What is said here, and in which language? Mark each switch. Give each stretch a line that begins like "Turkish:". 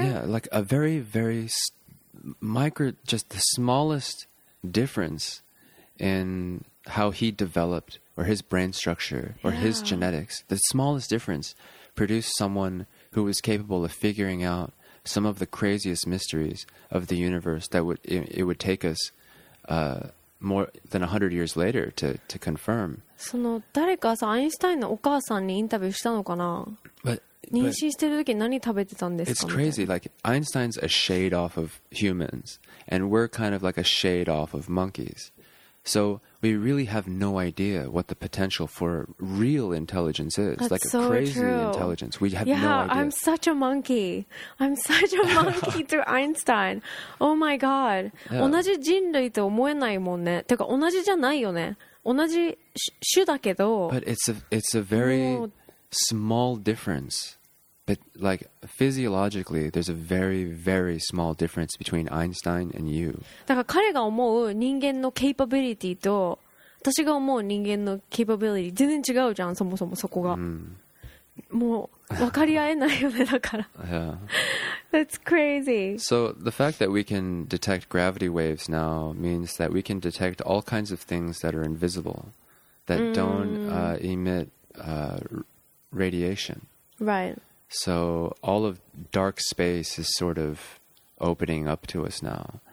English: Yeah, like a very, very micro, just the smallest difference in how he developed or his brain structure or his genetics, the smallest difference produced someone who was capable of figuring out some of the craziest mysteries of the universe that would it would take us more than 100 years later to confirm.
Japanese: その誰かさ、アインシュタインのお母さんにインタビューしたのかな？
English: But,
Japanese: 妊娠してる時何食べてたんですか？
English: It's crazy. Like, Einstein's a shade off of humans, and we're kind of like a shade off of monkeys. So we really have no idea what the potential for real intelligence is. That's like so a crazy true. Intelligence. We have yeah, no idea. Yeah, I'm such a monkey. I'm such a monkey to Einstein. Oh my god. Yeah.
Japanese: 同じ人類と思えないもんね。てか同じじゃないよね。同じ種だけど。
English: But it's a very small difference. But like physiologically, there's a very, very small difference between Einstein and you.
Japanese: だから彼が思う人間のケイパビリティと私が思う人間のケイパビリティ全然違うじゃん、そもそもそこが。もう分かり合えないよね、だから。
English: That's crazy. So the fact that we can detect gravity waves now means that we can detect all kinds of things that are invisible, that don't emit radiation. Right. So all of dark space is sort of opening up to us now.